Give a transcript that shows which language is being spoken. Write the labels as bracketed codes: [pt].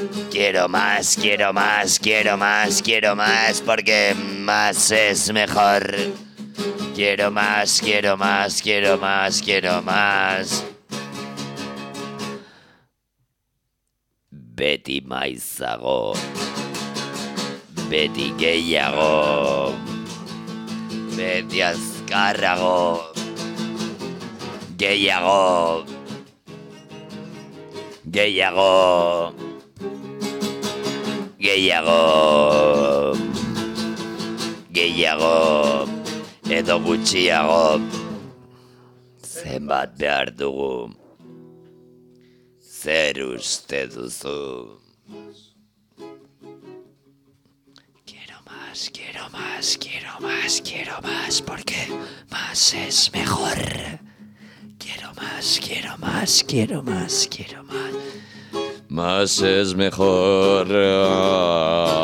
[es] Quiero más, quiero más, quiero más, quiero más, porque más es mejor. Quiero más, quiero más, quiero más, quiero más. B. [eu] beti maizago, beti gehiago, beti azkarrago, gehiago, gehiago, gehiago, gehiago, edo gutxiago, zenbat behar dugu, zer uste duzu. [es] Quiero más, quiero más, quiero más, porque más es mejor. Quiero más, quiero más, quiero más, quiero más. Más es mejor.